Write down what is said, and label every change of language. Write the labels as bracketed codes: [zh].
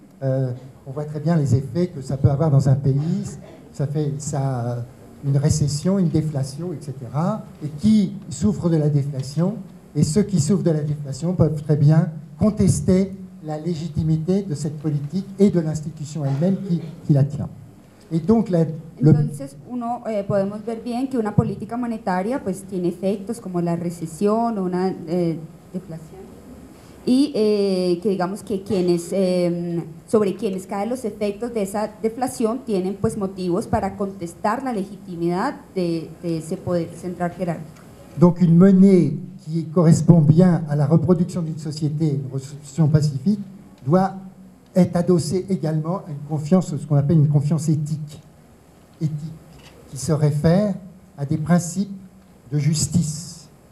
[fr] On voit très bien les effets que ça peut avoir dans un pays. Ça fait une récession, une déflation, etc. Et qui souffre de la déflation et ceux qui souffrent de la déflation peuvent très bien contester la légitimité de cette politique et de l'institution elle-même qui la tient. Et donc [es] podemos ver bien que una política monetaria pues tiene efectos como la recesión o una deflación y que digamos que quienes sobre quienes caen los efectos de esa deflación tienen pues motivos para contestar la legitimidad de ese poder central jerárquico. [fr] Donc une monnaie qui correspond bien à la reproduction d'une société, une reproduction pacifique, doit être adossée également à une confiance, ce qu'on appelle une confiance éthique, qui se réfère à des principes de justice.